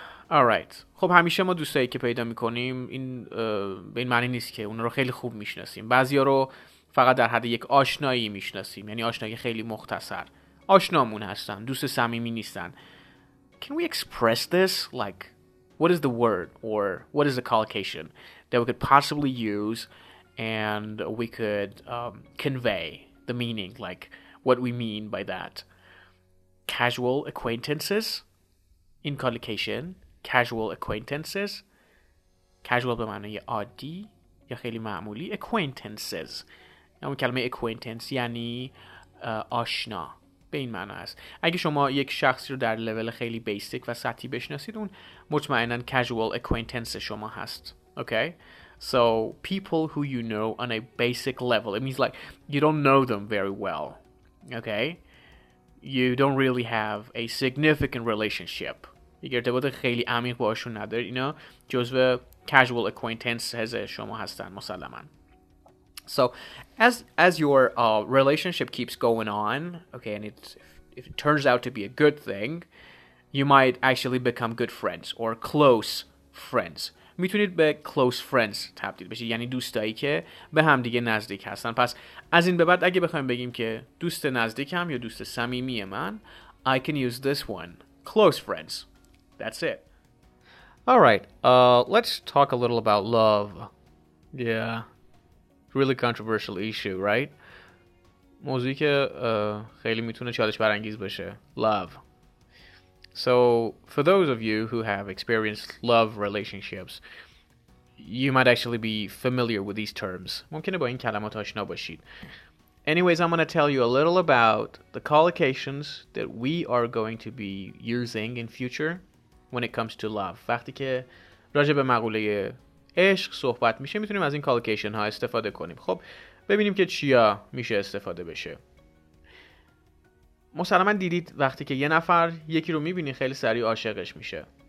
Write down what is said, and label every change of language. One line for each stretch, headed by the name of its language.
English: Alright.
Persian: خب همیشه ما دوستایی که پیدا میکنیم این به این معنی نیست که اون رو خیلی خوب میشناسیم. بعضیا رو فقط در حد یک آشنایی میشناسیم، یعنی آشنایی خیلی مختصر. آشنامون هستن، دوست صمیمی نیستن.
English: Can we express this? Like, what is the word or what is the collocation that we could possibly use and we could convey the meaning, like what we mean by that? Casual acquaintances? In collocation, casual acquaintances?
Persian: Casual به معنی عادی یا خیلی معمولی.
English: Acquaintances.
Persian: اون کلمه acquaintance یعنی آشنا به این معنی است. اگه شما یک شخصی رو در لول خیلی بیسیک و سطحی بشناسید اون مطمئناً casual acquaintance شما هست.
English: Okay? So, people who you know on a basic level. It means like you don't know them very well. Okay? You don't really have a significant relationship.
Persian: یک ارتباط خیلی عمیق باشون ندارید. اینا جزو casual acquaintances شما هستن مسلماً.
English: So, as your relationship keeps going on, okay, and if it turns out to be a good thing, you might actually become good friends or close friends.
Persian: میتونید به close friends تبدیل بشید. یعنی دوستایی که به هم دیگه نزدیک هستن. پس از این به بعد اگه بخوایم بگیم که دوست نزدیکم یا دوست صمیمی من,
English: I can use this one, close friends. That's it. All right. Let's talk a little about love. Yeah. Really controversial issue, right?
Persian: موضوعی که خیلی میتونه چالش برانگیز باشه.
English: Love. So, for those of you who have experienced love relationships, you might actually be familiar with these terms.
Persian: ممکنه با این کلمات آشنا باشید.
English: Anyways, I'm going to tell you a little about the collocations that we are going to be using in future when it comes to love.
Persian: وقتی که راجع به مقوله عشق صحبت میشه میتونیم از این کالوکیشن ها استفاده کنیم. خب ببینیم که چیا میشه استفاده بشه. مسلما دیدید وقتی که یه نفر یکی رو میبینی خیلی سریع عاشقش میشه.